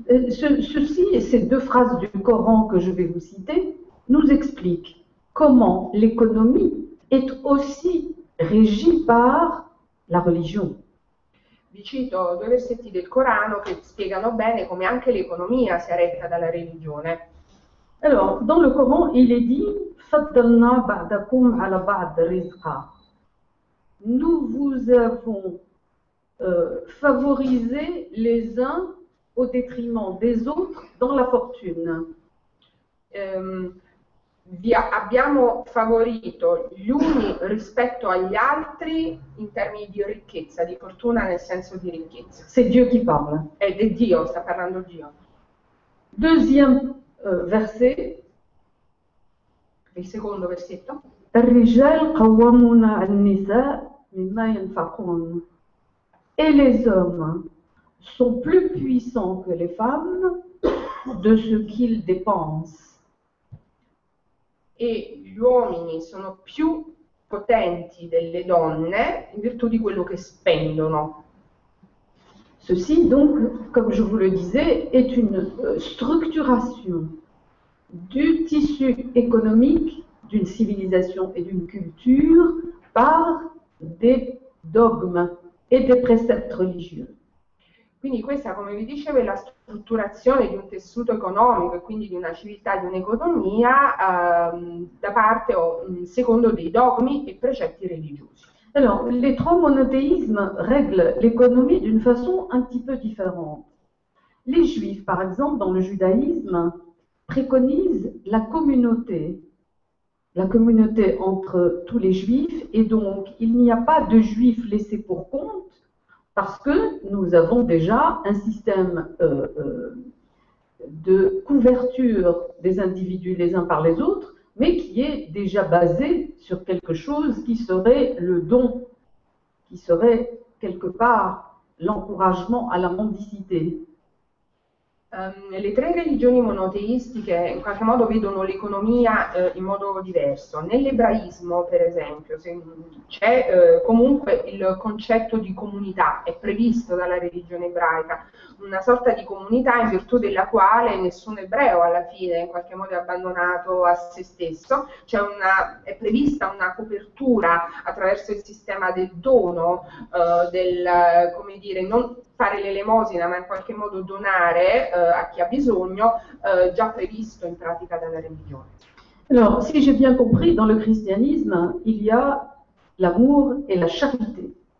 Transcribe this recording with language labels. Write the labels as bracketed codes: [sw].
[fr] Ceci e ces deux phrases du Coran que je vais vous citer nous expliquent comment l'économie est aussi régie par la religione. [it] Vi cito due versetti del Corano che spiegano bene come anche l'economia sia retta dalla religione. [fr] Allora, dans le Coran, il est dit: [ar] Faddalna ba'dakum ala ba'd rizqa. [fr] Nous vous avons favorisé les uns au détriment des autres dans la fortune. [it] Abbiamo favorito gli uni rispetto agli altri in termini di ricchezza, di fortuna nel senso di ricchezza. [fr] C'est Dieu qui parle. [it] Ed è Dio, sta parlando Dio. [fr] Deuxième verset. [it] Il secondo versetto. [ar] Ar-rijal qawwamuna 'an-nisaa' mimma yanfaqun. [fr] E les hommes sont plus puissants que les femmes de ce qu'ils dépensent. [it] E gli uomini sono più potenti delle donne in virtù di quello che spendono. [fr] Ceci, donc, comme je vous le disais, est une structuration du tissu économique d'une civilisation et d'une culture par des dogmes et des préceptes religieux. [it] Quindi questa, come vi dicevo, è la strutturazione di un tessuto economico e quindi di una civiltà, di un'economia da parte o secondo dei dogmi e precetti religiosi. [fr] Alors, les trois monothéismes règlent l'économie d'une façon un petit peu différente. Les juifs, par exemple, dans le judaïsme, préconisent la communauté entre tous les juifs, et donc il n'y a pas de juifs laissés pour compte, parce que nous avons déjà un système de couverture des individus les uns par les autres, mais qui est déjà basé sur quelque chose qui serait le don, qui serait quelque part l'encouragement à la mendicité. [it] Le tre religioni monoteistiche in qualche modo vedono l'economia in modo diverso. Nell'ebraismo, per esempio, c'è comunque il concetto di comunità, è previsto dalla religione ebraica, una sorta di comunità in virtù della quale nessun ebreo alla fine in qualche modo è abbandonato a se stesso, c'è è prevista una copertura attraverso il sistema del dono, del, come dire, non fare l'elemosina, ma in qualche modo donare a chi ha bisogno, già previsto in pratica dalla religione. [fr] Alors, si j'ai bien compris, dans le cristianisme, il y a l'amour et la charité.